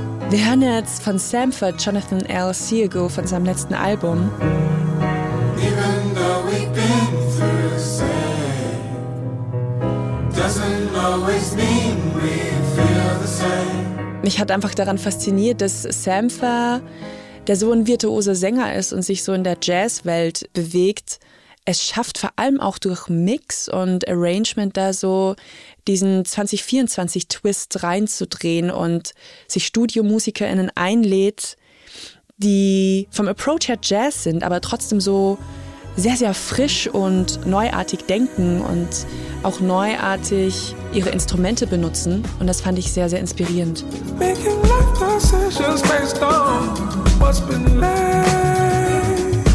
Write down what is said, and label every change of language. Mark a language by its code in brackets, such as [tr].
[de] Wir hören jetzt von Samford Jonathan L. Siergo von seinem letzten Album. [en] Even though we've been through the same, doesn't always mean we feel the same. [de] Mich hat einfach daran fasziniert, dass Samford, der so ein virtuoser Sänger ist und sich so in der Jazzwelt bewegt, es schafft vor allem auch durch Mix und Arrangement da so diesen 2024-Twist reinzudrehen und sich StudiomusikerInnen einlädt, die vom Approach her Jazz sind, aber trotzdem so sehr, sehr frisch und neuartig denken und auch neuartig ihre Instrumente benutzen. Und das fand ich sehr, sehr inspirierend. [en] Making life decisions based on what's been left.